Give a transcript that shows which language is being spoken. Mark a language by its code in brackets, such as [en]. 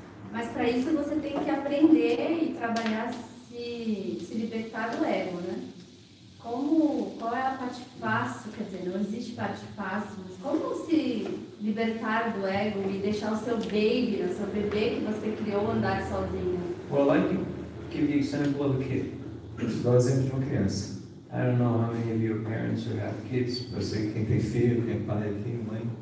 [pt] Mas para isso você tem que aprender e trabalhar se libertar do ego, né? Qual é a parte fácil, quer dizer, não existe parte fácil, mas como se libertar do ego e deixar o seu baby, o seu bebê que você criou andar sozinho? [en] Well, I can give you an example of a kid. [pt] Dá o exemplo de uma criança. [en] I don't know how many of your parents who have kids. [pt] Você quem tem filho, quem tem pai, quem tem mãe.